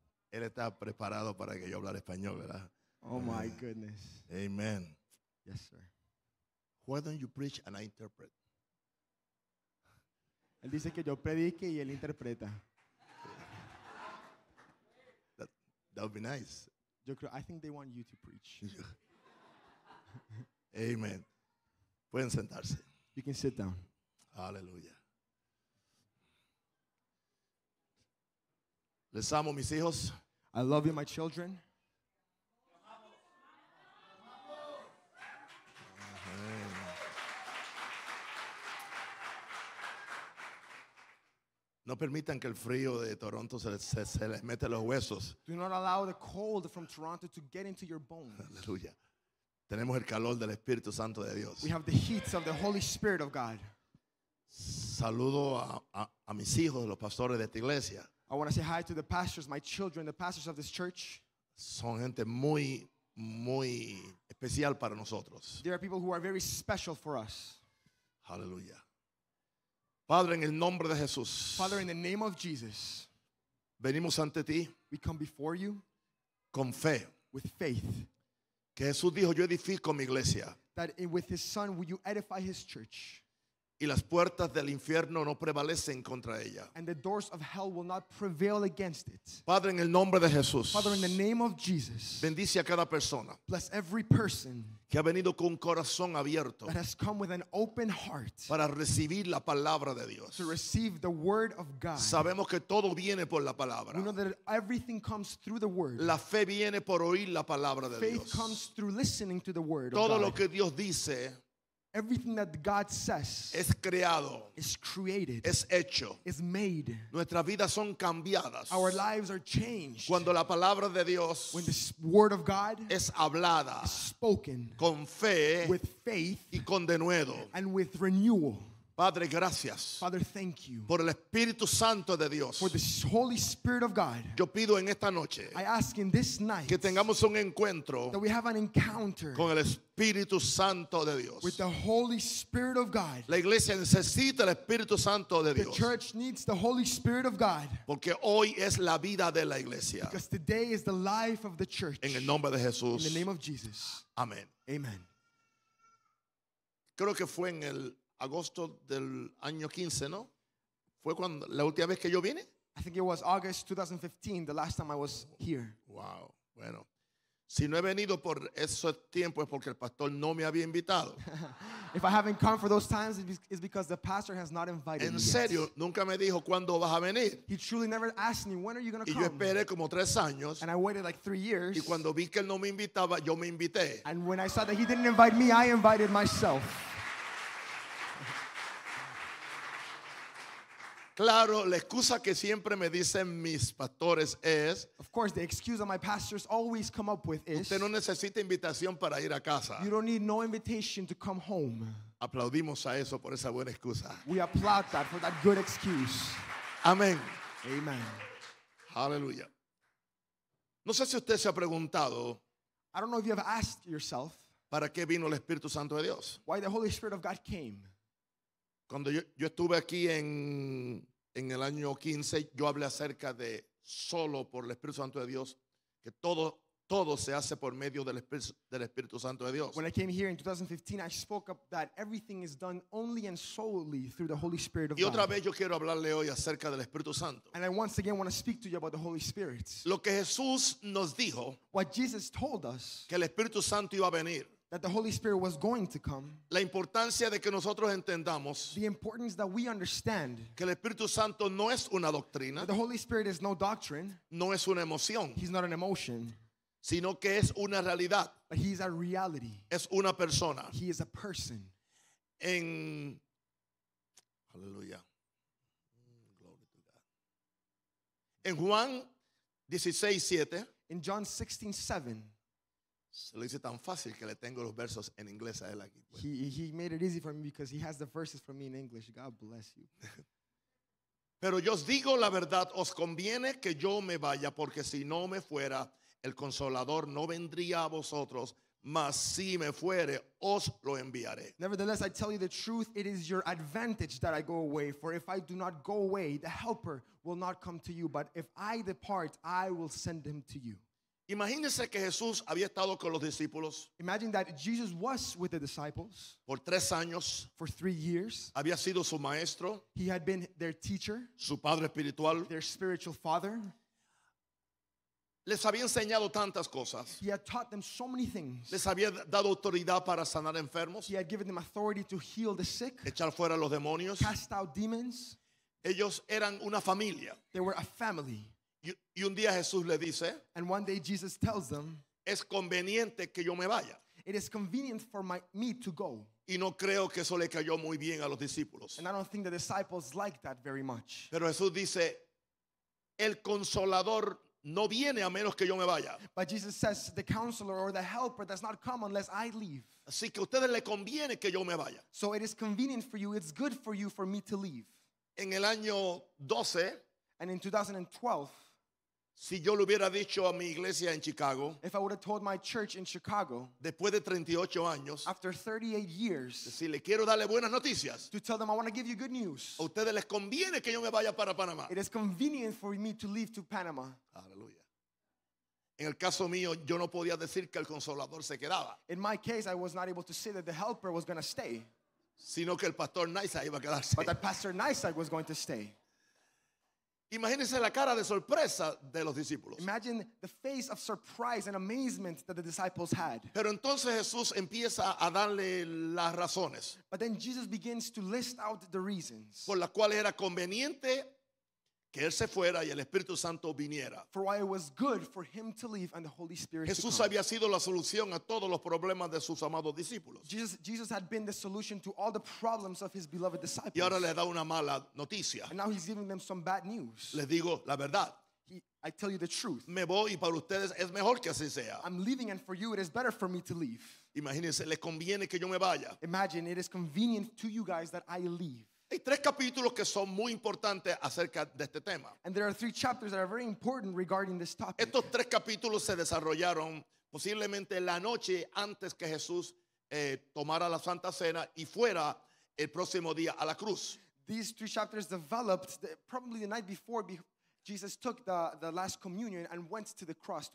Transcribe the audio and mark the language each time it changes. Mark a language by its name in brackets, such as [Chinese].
[Spanish] Él está preparado para que yo hable español, ¿verdad? [English] Oh my goodness. Amen. Yes, sir. Why don't you preach and I interpret? [Spanish] Él dice que yo predique y él interpreta. [English] That would be nice. I think they want you to preach. [Spanish] Amen. Pueden sentarse. [English] You can sit down. Hallelujah. [Spanish] Les amo, mis hijos. [English] I love you, my children. [Spanish] No permitan que el frío de Toronto se les meta los huesos. [English] Do not allow the cold from Toronto to get into your bones. [Spanish] Aleluya. Tenemos el calor del Espíritu Santo de Dios. [English] We have the heat of the Holy Spirit of God. [Spanish] Saludo a mis hijos, los pastores de esta iglesia. [English] I want to say hi to the pastors, my children, the pastors of this church. [Spanish] Son gente muy, muy especial para nosotros. [English] They are people who are very special for us. [Spanish] Aleluya. Padre, en el nombre de Jesús. [English] Father, in the name of Jesus. [Spanish] Venimos ante ti. [English] We come before you. [Spanish] Con fe. [English] With faith. [Spanish] Que Jesús dijo, yo edifico mi iglesia. [English] That with his son, will you edify his church. [Spanish] Y las puertas del infierno no prevalecen contra ella. [English] And the doors of hell will not prevail against it. [Spanish] Padre, en el nombre de Jesús. [English] Father, in the name of Jesus. [Spanish] Bendice a cada persona. [English] Bless every person. [Spanish] Que ha venido con un corazón abierto. [English] That has come with an open heart. [Spanish] Para recibir la palabra de Dios. [English] To receive the word of God. [Spanish] Sabemos que todo viene por la palabra. [English] We know that everything comes through the word. [Spanish] La fe viene por oír la palabra de [English] Faith [Spanish] Dios. [English] Faith comes through listening to the word [Spanish] todo [English] of God. [Spanish] Todo lo que Dios dice. [English] Everything that God says [Spanish] es creado, [English] is created, [Spanish] es hecho, [English] is made. [Spanish] Nuestras vidas son cambiadas. [English] Our lives are changed. [Spanish] Cuando la palabra de Dios, [English] when the word of God [Spanish] es hablada, [English] is spoken, [Spanish] con fe, [English] with faith, [Spanish] y con denuedo, [English] and with renewal. [Spanish] Padre, gracias. [English] Father, thank you. [Spanish] Por el Espíritu Santo de Dios. [English] For the Holy Spirit of God. [Spanish] Yo pido en esta noche. [English] I ask in this night. [Spanish] Que tengamos un encuentro. [English] That we have an encounter. [Spanish] Con el Espíritu Santo de Dios. [English] With the Holy Spirit of God. [Spanish] La iglesia necesita el Espíritu Santo de Dios. [English] The church needs the Holy Spirit of God. [Spanish] Porque hoy es la vida de la iglesia. [English] Because today is the life of the church. [Spanish] En el nombre de Jesús. [English] In the name of Jesus. [Spanish] Amén. [English] Amen. [Spanish] Creo que fue en el agosto del año 15, ¿no? ¿Fue cuando la última vez que yo vine? [English] I think it was August 2015, the last time I was here. Wow. [Spanish] Bueno, si no he venido por esos tiempos es porque el pastor no me había invitado. [English] If I haven't come for those times, it's because the pastor has not invited [Spanish] me. En serio, [English] yet. [Spanish] Nunca me dijo cuándo vas a venir. [English] He truly never asked me, when are you going to come? [Spanish] Y yo esperé como 3 años. [English] And I waited like 3 years. [Spanish] Y cuando vi que él no me invitaba, yo me invité. [English] And when I saw that he didn't invite me, I invited myself. [Spanish] Claro, la excusa que siempre me dicen mis pastores es. [English] Of course, the excuse that my pastors always come up with is. [Spanish] Usted no necesita invitación para ir a casa. [English] You don't need no invitation to come home. [Spanish] Aplaudimos a eso por esa buena excusa. [English] We applaud that for that good excuse. [Spanish] Amén. [English] Amen. Hallelujah. [Spanish] No sé si usted se ha preguntado. [English] I don't know if you have asked yourself. [Spanish] ¿Para qué vino el Espíritu Santo de Dios? [English] Why the Holy Spirit of God came. [Spanish] Cuando yo estuve aquí en el año 15, yo hablé acerca de solo por el Espíritu Santo de Dios, que todo se hace por medio del Espíritu Santo de Dios. [English] When I came here in 2015, I spoke up that everything is done only and solely through the Holy Spirit of God. [Spanish] Y otra vez yo quiero hablarle hoy acerca del Espíritu Santo. [English] And I once again want to speak to you about the Holy Spirit. [Spanish] Lo que Jesús nos dijo, [English] what Jesus told us, [Spanish] que el Espíritu Santo iba a venir, [English] that the Holy Spirit was going to come. [Spanish] La importancia de que nosotros entendamos. [English] The importance that we understand. [Spanish] Que el Espíritu Santo no es una doctrina. [English] The Holy Spirit is no doctrine. [Spanish] No es una emoción. [English] He's not an emotion. [Spanish] Sino que es una realidad. [English] But he's a reality. [Spanish] Es una persona. [English] He is a person. En Hallelujah. Glory to God. [Spanish] En Juan 16:7. [English] In John 16:7. [Spanish] Se lo hice tan fácil que le tengo los versos en inglés a él aquí. [English] He made it easy for me because he has the verses for me in English. God bless you. [Spanish] Pero yo os digo la verdad, os conviene que yo me vaya, porque si no me fuera, el Consolador no vendría a vosotros, mas si me fuere, os lo enviaré. [English] Nevertheless, I tell you the truth, it is your advantage that I go away, for if I do not go away, the Helper will not come to you, but if I depart, I will send him to you. [Spanish] Imagínense que Jesús había estado con los discípulos. [English] Imagine that Jesus was with the disciples. [Spanish] Por 3 años. [English] For 3 years. [Spanish] Había sido su maestro. [English] He had been their teacher. [Spanish] Su padre espiritual. [English] Their spiritual father. [Spanish] Les había enseñado tantas cosas. [English] He had taught them so many things. [Spanish] Les había dado autoridad para sanar enfermos. [English] He had given them authority to heal the sick. [Spanish] Echar fuera los demonios. [English] Cast out demons. [Spanish] Ellos eran una familia. [English] They were a family. [Spanish] Y un día Jesús le dice, [English] and one day Jesus tells them, [Spanish] es conveniente que yo me vaya. [English] It is convenient for me to go. [Spanish] Y no creo que eso le cayó muy bien a los discípulos. [English] And I don't think the disciples liked that very much. [Spanish] Pero Jesús dice, el Consolador no viene a menos que yo me vaya. [English] But Jesus says, the Counselor or the Helper does not come unless I leave. [Spanish] Así que a ustedes les conviene que yo me vaya. [English] So it is convenient for you, it's good for you for me to leave. [Spanish] En el año 12, [English] and in 2012, [Spanish] si yo lo hubiera dicho a mi iglesia en Chicago, [English] if I would have told my church in Chicago, [Spanish] después de 38 años, [English] after 38 years, [Spanish] si le quiero darle buenas noticias, [English] to tell them I want to give you good news, [Spanish] a ustedes les conviene que yo me vaya para Panamá. [English] It is convenient for me to leave to Panama. [Spanish] Aleluya. En el caso mío, yo no podía decir que el Consolador se quedaba. [English] In my case, I was not able to say that the Helper was going to stay, [Spanish] sino que el Pastor Nysa iba a quedarse. [English] But that Pastor Nysa was going to stay. [Spanish] Imagínense la cara de sorpresa de los discípulos. [English] Imagine the face of surprise and amazement that the disciples had. [Spanish] Pero entonces Jesús empieza a darle las razones. [English] But then Jesus begins to list out the reasons. [Spanish] Por las cuales era conveniente que él se fuera y el Espíritu Santo viniera. [English] For why it was good for him to leave and the Holy Spirit to come. [Spanish] Jesús había sido la solución a todos los problemas de sus amados discípulos. [English] Jesus had been the solution to all the problems of his beloved disciples. [Spanish] Y ahora le da una mala noticia. [English] And now he's giving them some bad news. [Spanish] Les digo la verdad. [English] I tell you the truth. [Spanish] Me voy y para ustedes es mejor que así sea. [English] I'm leaving and for you it is better for me to leave. [Spanish] Imagínense, les conviene que yo me vaya. [English] Imagine it is convenient to you guys that I leave. [Spanish] Hay 3 capítulos que son muy importantes acerca de este tema. [English] And there are 3 chapters that are very important regarding this topic. [Spanish] Estos 3 capítulos se desarrollaron posiblemente la noche antes que Jesús tomara la Santa Cena y fuera el próximo día a la cruz. [English] These 3 chapters developed probably the night before Jesus took the last communion and went to the cross.